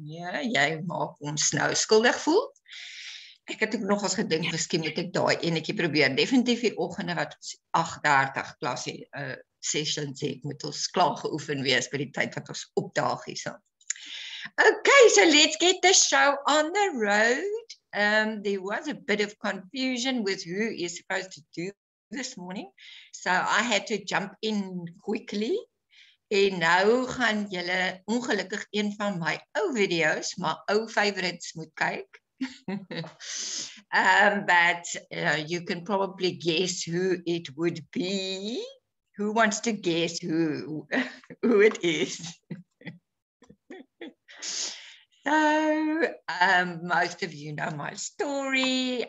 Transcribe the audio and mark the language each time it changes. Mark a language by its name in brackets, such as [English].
[Afrikaans] Ja, jy maak ons nou skuldig voel. Ek het ook nog ons gedink, miskien moet ek daai enetjie probeer. Definitief die oggende wat ons 8:30 klas sessions het, moet ons klaar geoefen wees by die tyd wat ons opdaag hier sal. [English] Okay, so let's get the show on the road. There was a bit of confusion with who is supposed to do this morning. So I had to jump in quickly. [Afrikaans] En nou gaan julle ongelukkig een van my ou videos, my ou favorites moet kyk. [English] but you can probably guess who it would be. Who wants to guess who it is? So, most of you know my story.